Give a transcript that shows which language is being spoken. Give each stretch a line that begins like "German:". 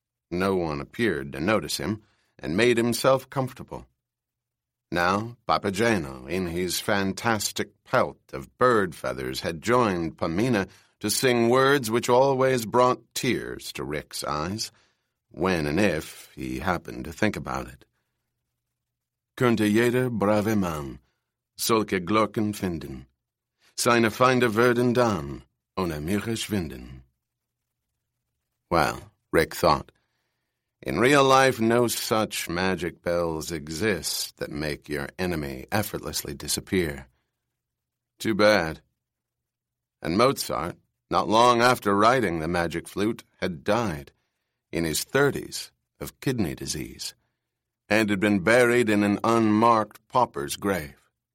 English: No one appeared to notice him, and made himself comfortable. Now Papageno, in his fantastic pelt of bird feathers, had joined Pamina to sing words which always brought tears to Rick's eyes, when and if he happened to think about it.
German: Könnte jeder brave Mann solche Glocken finden, seine Feinde würden dann ohne mich schwinden.
English: Well, Rick thought, in real life no such magic bells exist that make your enemy effortlessly disappear. Too bad. And Mozart, not long after writing the magic flute, had died, in his 30s, of kidney disease, and had been buried in an unmarked pauper's grave.